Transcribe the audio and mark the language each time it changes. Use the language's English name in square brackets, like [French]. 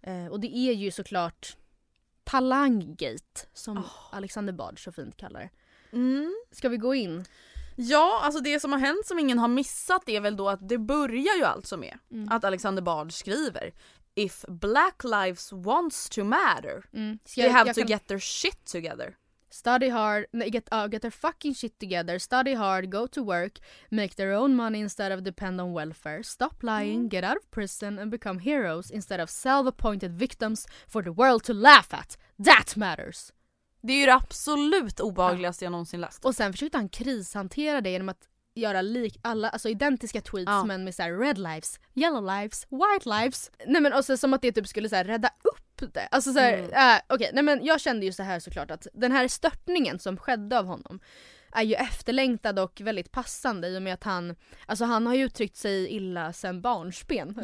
[Swedish] Och det är ju såklart Talanggate som Alexander Bard så fint kallar det. Ska vi gå in? Ja, alltså det som har hänt som ingen har missat är väl då att det börjar ju alltså med att Alexander Bard skriver [English] If black lives wants to matter they have to get their shit together. Study hard, get their fucking shit together. Study hard, go to work, make their own money instead of depend on welfare. Stop lying, get out of prison and become heroes instead of self-appointed victims for the world to laugh at. That matters. [Swedish] Det är ju det absolut obehagligaste jag någonsin läst. Och sen försökte han krishantera det genom att göra lik alla, alltså identiska tweets men med så här [English] red lives, yellow lives, white lives. [Swedish] Nej men också som att det typ skulle så här rädda upp det. Alltså så här, nej men jag kände ju så här såklart att den här störtningen som skedde av honom är ju efterlängtad och väldigt passande i och med att han, alltså han har ju uttryckt sig illa sedan barnsben.